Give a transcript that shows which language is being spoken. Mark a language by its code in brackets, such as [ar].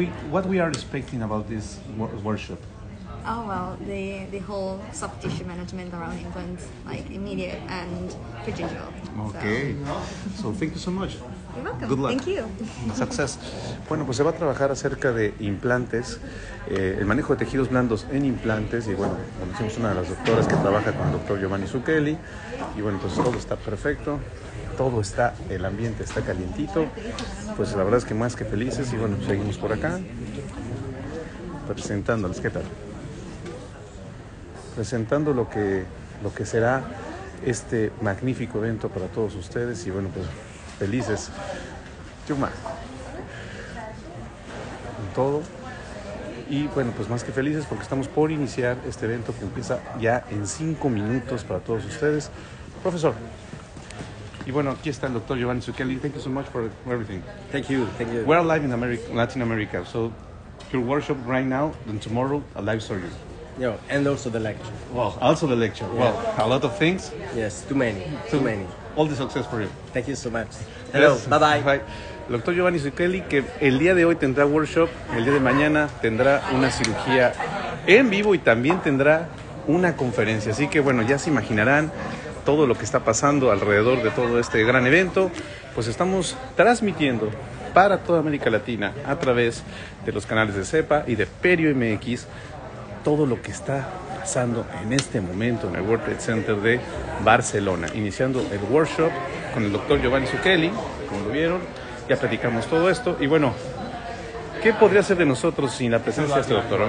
[en] What we are expecting about this workshop? Oh well, the whole soft tissue management around implants, like immediate and procedural. Okay. So thank you so much. You're welcome. Good luck. Thank you. Success. [es] Bueno, pues se va a trabajar acerca de implantes, el manejo de tejidos blandos en implantes y bueno, conocemos una de las doctoras que trabaja con el doctor Giovanni Zucchelli y bueno, pues todo está perfecto. Todo está, el ambiente está calientito, pues la verdad es que más que felices y bueno, seguimos por acá presentándoles, ¿qué tal? Presentando lo que será este magnífico evento para todos ustedes y bueno, pues felices. Chuma. Con todo. Y bueno, pues más que felices porque estamos por iniciar este evento que empieza ya en 5 minutos para todos ustedes. Profesor. Y bueno, aquí está el doctor Giovanni Zucchelli. [en] Thank you so much for everything. Thank you. We're live in America, Latin America. So, your workshop right now, then tomorrow, a live surgery. Yeah, and also the lecture. Also the lecture. Yeah. Well, a lot of things. Yes, too many. All the success for you. Thank you so much. Hello, yes. Bye-bye. [es] El doctor Giovanni Zucchelli, que el día de hoy tendrá workshop, el día de mañana tendrá una cirugía en vivo y también tendrá una conferencia. Así que, bueno, ya se imaginarán todo lo que está pasando alrededor de todo este gran evento, pues estamos transmitiendo para toda América Latina a través de los canales de CEPA y de Perio MX todo lo que está pasando en este momento en el World Trade Center de Barcelona, iniciando el workshop con el doctor Giovanni Zucchelli, como lo vieron, ya platicamos todo esto y bueno, ¿qué podría ser de nosotros sin la presencia de este doctor?